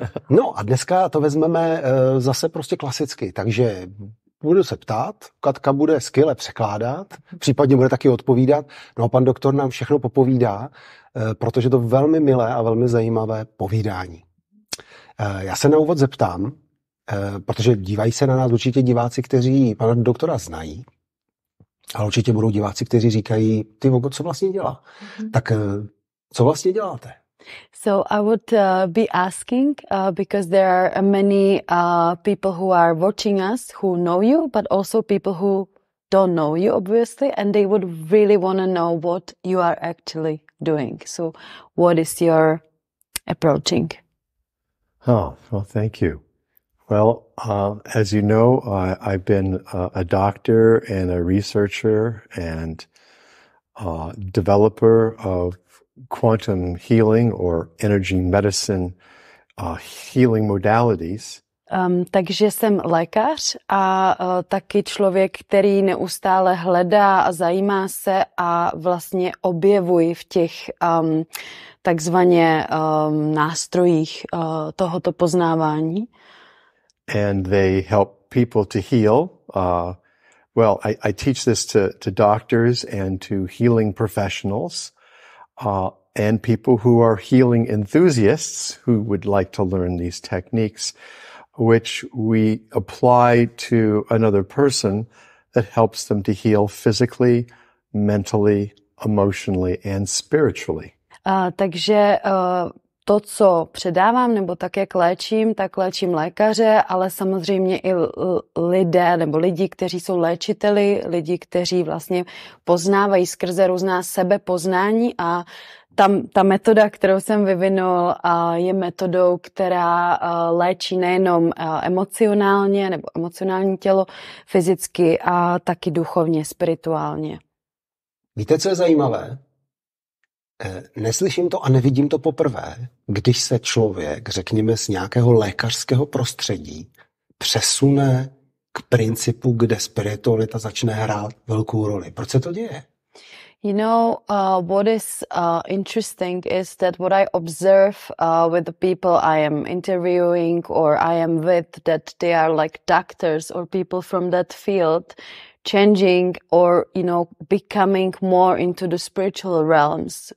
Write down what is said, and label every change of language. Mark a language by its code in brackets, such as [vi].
[cs] No a dneska to vezmeme zase prostě klasicky, takže budu se ptát, Katka bude skvěle překládat, případně bude taky odpovídat, no a pan doktor nám všechno popovídá, protože to velmi milé a velmi zajímavé povídání. Já se na úvod zeptám, protože dívají se na nás určitě diváci, kteří pana doktora znají, ale určitě budou diváci, kteří říkají, ty Vogo, co vlastně dělá? Tak co vlastně děláte? [en] So I would be asking because there are many people who are watching us who know you, but also people who don't know you, obviously, and they would really want to know what you are actually doing. So what is your approaching? Oh, well, thank you. Well, as you know, I've been a doctor and a researcher and a developer of quantum healing or energy medicine healing modalities. [cs] Takže jsem lékař a taky člověk, který neustále hledá a zajímá se a vlastně objevuje v těch takzvaně nástrojích tohoto poznávání. [en] And they help people to heal. Well, I teach this to doctors and to healing professionals. And people who are healing enthusiasts who would like to learn these techniques, which we apply to another person that helps them to heal physically, mentally, emotionally, and spiritually. [cs] Takže to, co předávám, nebo tak, jak léčím, tak léčím lékaře, ale samozřejmě i lidé, nebo lidi, kteří jsou léčiteli, lidi, kteří vlastně poznávají skrze různá sebepoznání a ta metoda, kterou jsem vyvinul, je metodou, která léčí nejenom emocionálně nebo emocionální tělo fyzicky a taky duchovně, spirituálně. Víte, co je zajímavé? Neslyším to a nevidím to poprvé, když se člověk, řekněme, z nějakého lékařského prostředí přesune k principu, kde spiritualita začne hrát velkou roli. Proč se to děje? [en] You know, what is interesting is that what I observe with the people I am interviewing or I am with, that they are like doctors or people from that field changing or, you know, becoming more into the spiritual realms.